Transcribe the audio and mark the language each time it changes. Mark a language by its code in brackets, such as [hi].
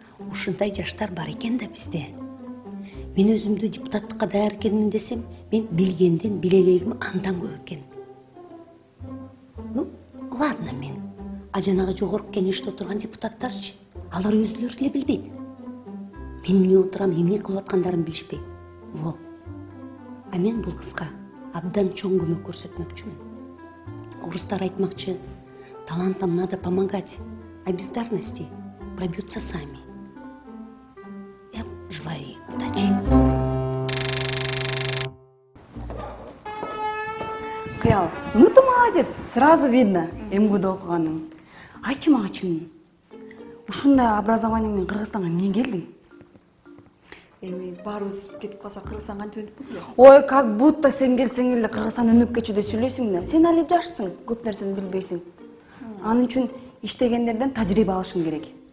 [ky] Ушундай жаштар бар экен да бизде. Мен өзүмдү депутаттыкка даярдыкмын десем, мен билгенден билелегим андан көп экен. [ru] Ладно, [ky] мен а жанагы жогорку кеңеште отурган депутаттарчы? Алар өзлөрү эле билбейт. Мен эмне отурам, эмне кылып аткандарын билишпейт. Во. А мен бул кызга абдан чоң көмөк көрсөтмөкчүмүн. Орустар айтмакчы, [ru] талантам надо помогать, а бездарности пробьются сами. Я желаю ей удачи. Кыял, ну ты молодец, сразу видно, МГУ-да [ky] окуганын. Айтчы мага чынын, ушундай образование менен Кыргызстанга эмне келдиң? Эми баарыбыз кетип калса Кыргызстан кантип өнүп кетет? [ru] Ой, как будто [ky] сен келсең эле Кыргызстан өнүп кетчү деп сүйлөйсүң мына. Сен али жашсың, көп нерсени билбейсиң. Анын үчүн иштегендерден тажрыйба алышың керек.